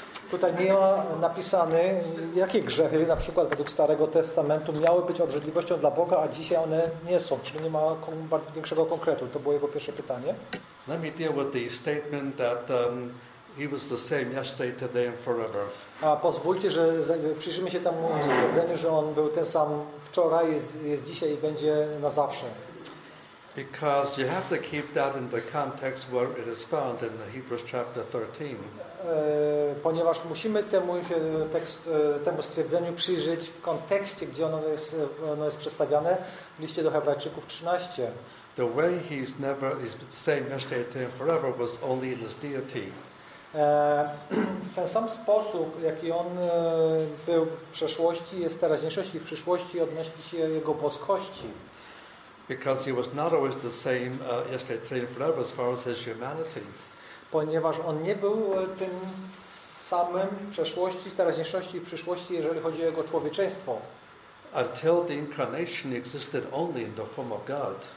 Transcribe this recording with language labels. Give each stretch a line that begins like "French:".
Polish: Tutaj nie ma napisane, jakie grzechy, na przykład według Starego Testamentu, miały być obrzydliwością dla Boga, a dzisiaj one nie są. Czyli nie ma bardzo większego konkretu. To było jego pierwsze pytanie.
English: Let me deal with the statement that he was the same yesterday, today and forever.
Polish: A pozwólcie, że przyjrzymy się temu stwierdzeniu, że on był ten sam wczoraj, jest dzisiaj i będzie na zawsze.
English: Because you have to keep that in the context where it is found in Hebrews chapter 13.
Polish: Ponieważ musimy temu stwierdzeniu przyjrzeć w kontekście, gdzie ono jest przedstawiane w liście do Hebrajczyków 13.
English: The way he's never is the same yesterday and forever was only in his deity.
Polish: Ten sam sposób, jaki on był w przeszłości, jest w teraźniejszości i w przyszłości odnosi się jego boskości.
English: Because he was not always the same yesterday and forever as far as his humanity.
Polish: Ponieważ on nie był tym samym w przeszłości, w teraźniejszości i w przyszłości, jeżeli chodzi o jego człowieczeństwo.
English: Until the incarnation existed only in the form of God.